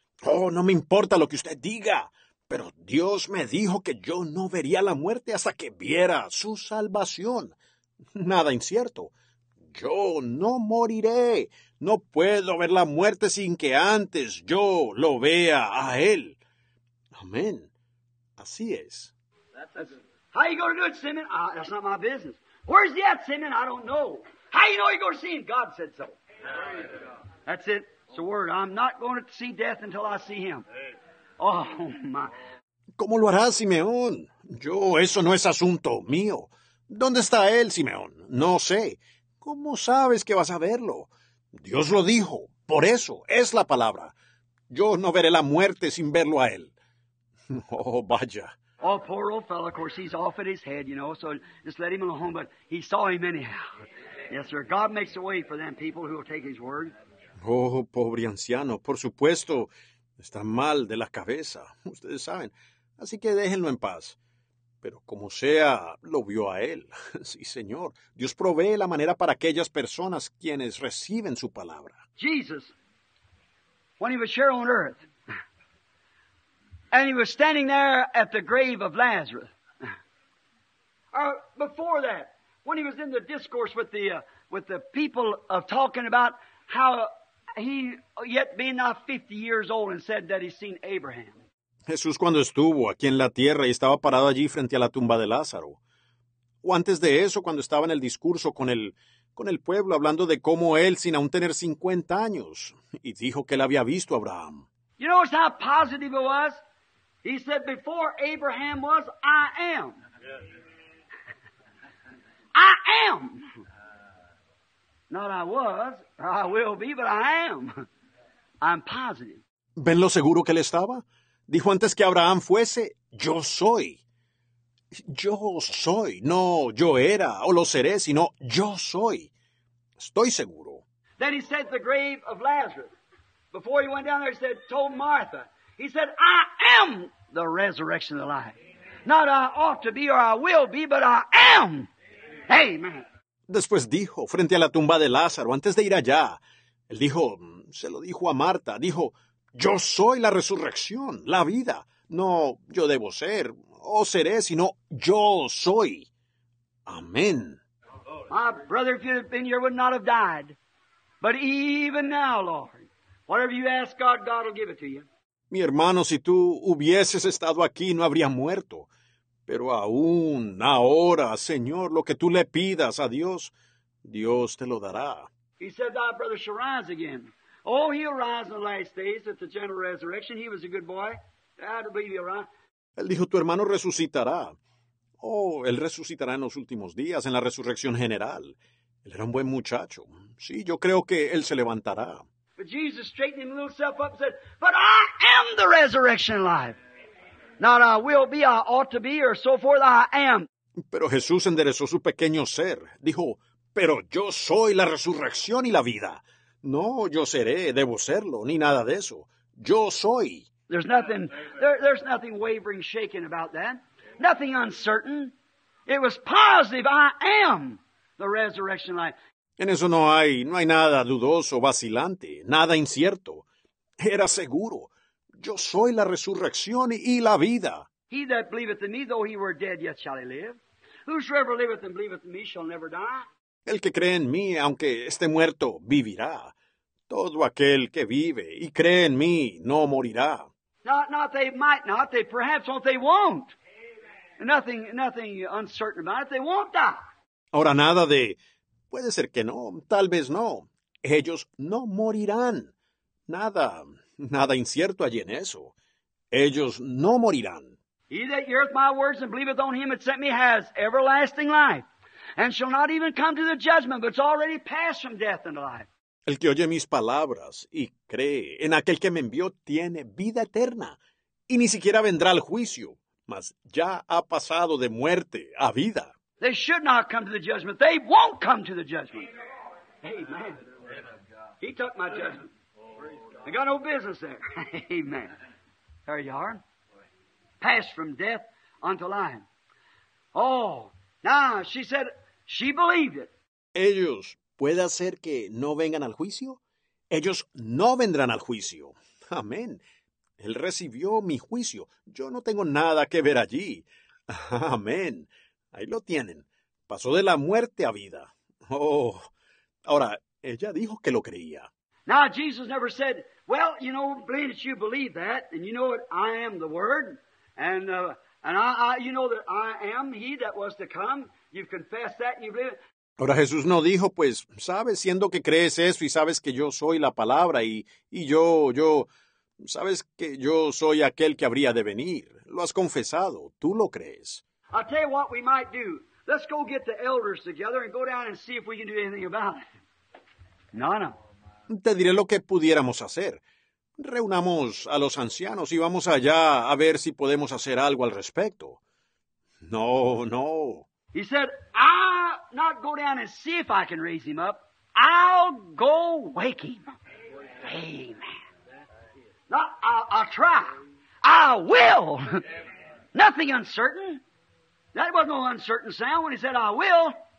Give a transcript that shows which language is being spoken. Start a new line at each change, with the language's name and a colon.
Spanish: Oh, no me importa lo que usted diga, pero Dios me dijo que yo no vería la muerte hasta que viera su salvación. Nada incierto. Yo no moriré. No puedo ver la muerte sin que antes yo lo vea a él. Amén. Así es.
English: How you gonna do it, Simeon? That's not my business. Where is he at, Simeon? I don't know. How you know you're gonna see him? God said so. That's it. It's a word. I'm not going to see death until I see him. Oh, my.
Spanish: ¿Cómo lo harás, Simeón? Yo, eso no es asunto mío. ¿Dónde está él, Simeón? No sé. ¿Cómo sabes que vas a verlo? Dios lo dijo. Por eso es la palabra. Yo no veré la muerte sin verlo a él. Oh, vaya.
English: Oh, poor old fellow. Of course, he's off at his head, you know. So just let him alone. But he saw him anyhow. Yes, sir. God makes a way for them people who will take his word.
Spanish: Oh, pobre anciano. Por supuesto. Está mal de la cabeza. Ustedes saben. Así que déjenlo en paz. Pero como sea, lo vio a él. Sí, señor. Dios provee la manera para aquellas personas quienes reciben su palabra.
English: Jesus, when he was here on earth, and he was standing there at the grave of Lazarus. Before that, when he was in the discourse with the people of talking about how he yet being not 50 years old and said that he's seen Abraham.
Spanish: Jesús cuando estuvo aquí en la tierra y estaba parado allí frente a la tumba de Lázaro. O antes de eso, cuando estaba en el discurso con el pueblo hablando de cómo él, sin aún tener 50 años, y dijo que él había visto a Abraham.
English: You know how positive it was? He said, before Abraham was, I am. I am. Not I was, or I will be, but I am. I'm positive.
Spanish: ¿Ven lo seguro que él estaba? Dijo antes que Abraham fuese, yo soy. Yo soy. No yo era o lo seré, sino yo soy. Estoy seguro.
English: Then he said the grave of Lazarus. Before he went down there, he said, told Martha. He said, I am the resurrection of the life. Not I ought to be or I will be, but I am. Amen.
Spanish: Después dijo, frente a la tumba de Lázaro, antes de ir allá, él dijo, se lo dijo a Marta, dijo, yo soy la resurrección, la vida. No yo debo ser o seré, sino yo soy. Amén.
English: My brother, if you had been here, would not have died. But even now, Lord, whatever you ask God, God will give it to you.
Spanish: Mi hermano, si tú hubieses estado aquí, no habría muerto. Pero aún, ahora, Señor, lo que tú le pidas a Dios, Dios te lo dará.
English: He said, thy brother shall rise again. Oh, he'll rise in the last days at the general resurrection. He was a good boy. I don't believe he'll rise.
Spanish: Él dijo, tu hermano resucitará. Oh, él resucitará en los últimos días, en la resurrección general. Él era un buen muchacho. Sí, yo creo que él se levantará.
English: But Jesus straightened himself up and said, but I am the resurrection life. Not I will be, I ought to be, or so forth, I am.
Spanish: Pero Jesús enderezó su pequeño ser. Dijo, pero yo soy la resurrección y la vida. No, yo seré, debo serlo, ni nada de eso. Yo soy.
English: There's nothing wavering, shaking about that. Nothing uncertain. It was positive. I am the resurrection life.
Spanish: En eso no hay nada dudoso, vacilante, nada incierto. Era seguro. Yo soy la resurrección y la vida.
English: He that believeth in me, though he were dead, yet shall he live. Whosoever liveth and believeth in me shall never die.
Spanish: El que cree en mí, aunque esté muerto, vivirá. Todo aquel que vive y cree en mí no morirá.
English: Not they might not, they perhaps won't, they won't. Nothing uncertain about it, they won't die.
Spanish: Ahora nada de, puede ser que no, tal vez no. Ellos no morirán. Nada incierto allí en eso. Ellos no morirán.
English: He that heareth my words and believeth on him that sent me has everlasting life, and shall not even come to the judgment, but it's already passed from death into life.
Spanish: El que oye mis palabras y cree en aquel que me envió tiene vida eterna, y ni siquiera vendrá al juicio, mas ya ha pasado de muerte a vida.
English: They should not come to the judgment. They won't come to the judgment. Amen. He took my judgment. I got no business there. Amen. There you are. Passed from death unto life. Oh, now she said she believed it.
Spanish: Ellos. ¿Puede hacer que no vengan al juicio? Ellos no vendrán al juicio. Amén. Él recibió mi juicio. Yo no tengo nada que ver allí. Amén. Ahí lo tienen. Pasó de la muerte a vida. Oh, ahora, ella dijo que lo creía.
English: Now, Jesus never said, well, you know, believe that you believe that, and you know that I am the Word, and I, you know that I am he that was to come. You've confessed that, and you believe it.
Spanish: Ahora Jesús no dijo, pues, sabes, siendo que crees eso y sabes que yo soy la palabra y yo, sabes que yo soy aquel que habría de venir. Lo has confesado, tú lo crees.
English: I'll tell you what we might do. Let's go get the elders together and go down and see if we can do anything about it. No, no.
Spanish: Te diré lo que pudiéramos hacer. Reunamos a los ancianos y vamos allá a ver si podemos hacer algo al respecto. No, no.
English: He said, I'll not go down and see if I can raise him up. I'll go wake him. Amen. No, I'll try. I will. Nothing uncertain. That wasn't no uncertain sound when he said, I will.